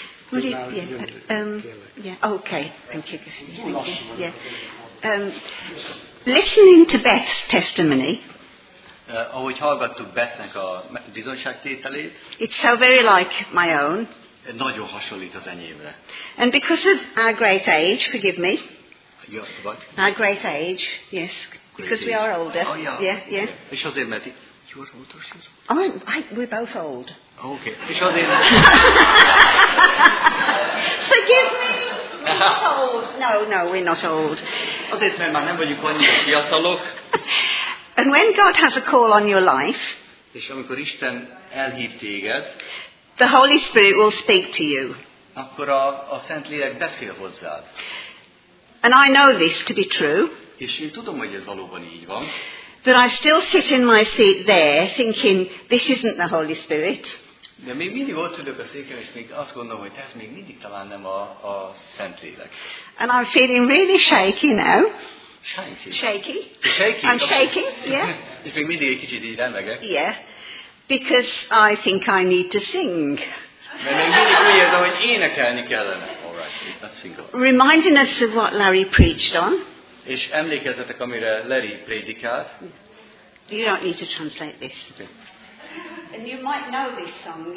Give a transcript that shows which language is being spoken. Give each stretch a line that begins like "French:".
English: Will you, yeah, okay, thank you, yeah. Listening to Beth's testimony,
Hungarian: ahogy hallgattuk Beth-nek a bizonyságtételét,
English: it's so very like my own,
Hungarian: nagyon hasonlít az enyémre.
English: And because of our great age, forgive me, yes, what? Our great age, yes, because great we age. Are older, oh, yeah. Yeah,
Hungarian: yeah. És azért, mert,
English: you're older, she's... we're both old.
Hungarian: Okay. És azért...
English: Forgive me, we're not old. No, we're not old.
Hungarian: Azért, mert már nem vagyunk annyira fiatalok.
English: And when God has a call on your life,
Hungarian: és amikor Isten elhív téged,
English: the Holy Spirit will speak to you.
Hungarian: Akkor a Szent Lélek beszél hozzád.
English: And I know this to be true.
Hungarian: És én tudom, hogy ez valóban így van.
English: That I still sit in my seat there, thinking this isn't the Holy Spirit.
Hungarian: De még mindig ott ülök a széken, és még azt gondolom, hogy ez még mindig talán nem a Szent Lélek.
English: And I'm feeling really shaky now. Shaky. Shaky. Shaky. I'm shaky. Yeah.
Hungarian: És még mindig egy kicsit így remegek.
English: Yeah. Because I think I need to sing.
Hungarian: Mert még mindig úgy érzem, hogy énekelni kellene.
English: All right. Let's sing. Reminding us of what Larry preached on.
Hungarian: És emlékezzetek, amire Larry prédikált.
English: You don't need to translate this. Okay. And you might know this song.